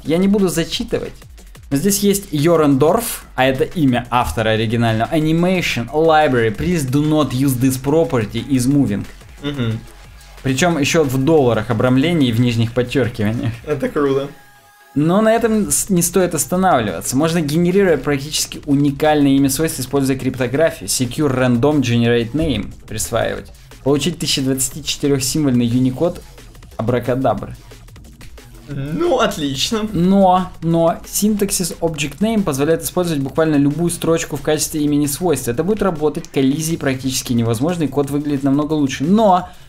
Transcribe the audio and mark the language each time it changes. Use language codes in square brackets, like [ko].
[ru] Я не буду зачитывать, но здесь есть Йорендорф, а это имя автора оригинального, Animation Library, [en] please do not use this property isMoving. [ru] Причем еще в долларах обрамление и в нижних подчеркиваниях. Это круто. Но на этом не стоит останавливаться. Можно генерировать практически уникальное имя свойства, используя криптографию. Secure Random Generate Name присваивать. Получить 1024-символьный Unicode абракадабры. Ну, отлично. Но синтаксис Object Name позволяет использовать буквально любую строчку в качестве имени свойства. Это будет работать, коллизии практически невозможно, и код выглядит намного лучше. Но...